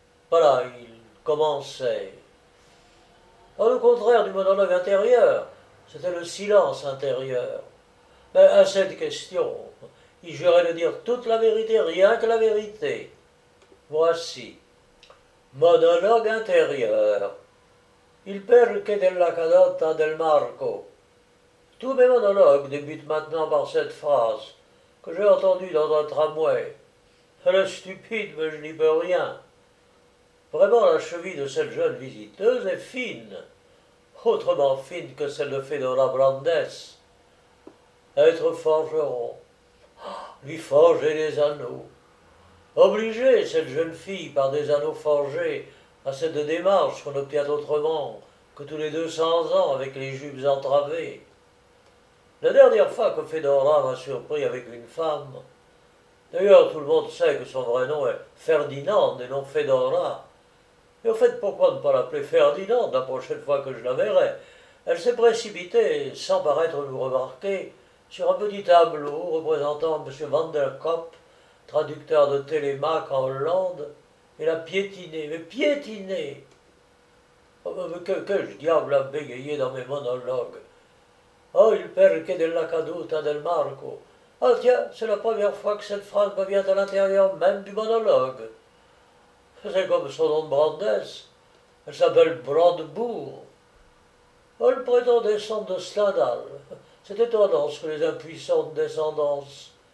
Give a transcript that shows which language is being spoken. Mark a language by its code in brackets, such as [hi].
[fr] Voilà, il commençait. Alors, au contraire du monologue intérieur, c'était le silence intérieur. Mais à cette question, il jurait de dire toute la vérité, rien que la vérité. Voici. Monologue intérieur. [it] Il perché della caduta del Marco. [fr] Tous mes monologues débutent maintenant par cette phrase que j'ai entendue dans un tramway. Elle est stupide, mais je n'y peux rien. Vraiment, la cheville de cette jeune visiteuse est fine. Autrement fine que celle de Fedora Brandes. Être forgeron, lui forger les anneaux. Obliger cette jeune fille par des anneaux forgés à cette démarche qu'on obtient autrement que tous les 200 ans avec les jupes entravées. La dernière fois que Fedora m'a surpris avec une femme, d'ailleurs tout le monde sait que son vrai nom est Ferdinand et non Fedora, et au fait, pourquoi ne pas l'appeler Ferdinand la prochaine fois que je la verrai? Elle s'est précipitée, sans paraître nous remarquer, sur un petit tableau représentant M. Van der Kopp traducteur de Télémaque en Hollande, et l'a piétiné, mais piétiné! Oh, que diable a bégayé dans mes monologues? [it] Oh, il perché della caduta del Marco! [fr] Ah, tiens, c'est la première fois que cette phrase me vient à l'intérieur même du monologue. C'est comme son nom de Brandès. Elle s'appelle Brandebourg. Oh, elle prétend descendre de Stendhal. C'est étonnant ce que les impuissantes descendances.